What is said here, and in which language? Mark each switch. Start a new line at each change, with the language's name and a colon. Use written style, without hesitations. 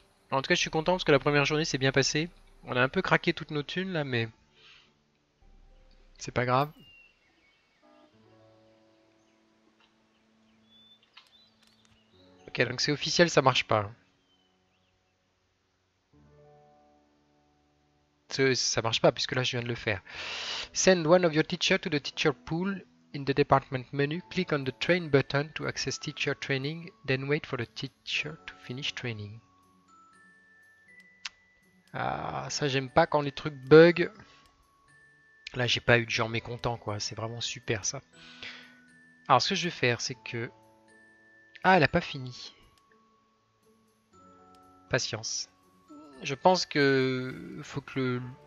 French: En tout cas, je suis content parce que la première journée s'est bien passée. On a un peu craqué toutes nos thunes là, mais c'est pas grave. Ok, donc c'est officiel, ça marche pas. Ça marche pas puisque là je viens de le faire.
English: Send one of your teachers to the teacher pool in the department menu. Click on the train button to access teacher training. Then wait for the teacher to finish training.
French: Ah, ça j'aime pas quand les trucs bug. Là j'ai pas eu de gens mécontents quoi. C'est vraiment super ça. Alors ce que je vais faire c'est que. Ah, elle a pas fini. Patience. Je pense que faut que le.